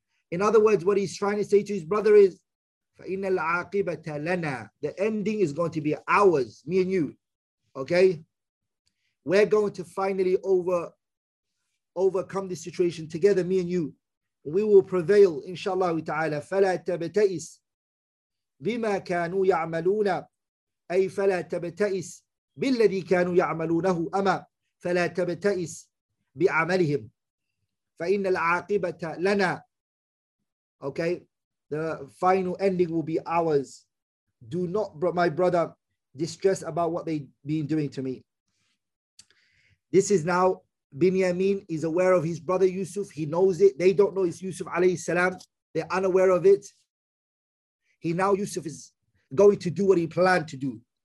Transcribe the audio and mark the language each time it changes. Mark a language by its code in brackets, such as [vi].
[en] In other words, what he's trying to say to his brother is, [ar] فَإِنَّ الْعَاقِبَةَ لَنَا, [en] the ending is going to be ours, me and you. Okay? We're going to finally overcome this situation together, me and you. We will prevail, inshallah ta'ala. [ar] فَلَا تَبْتَئِسْ بِمَا كَانُوا يَعْمَلُونَ, أي فلا تبتئس بالذي كانوا يعملونه, أما فلا تبتئس بعملهم فإن العاقبة لنا. [en] Okay, the final ending will be ours. Do not, my brother, distress about what they've been doing to me. This is now, Binyamin is aware of his brother Yusuf. He knows it. They don't know it's Yusuf alayhi salam. They're unaware of it. Yusuf is going to do what he planned to do.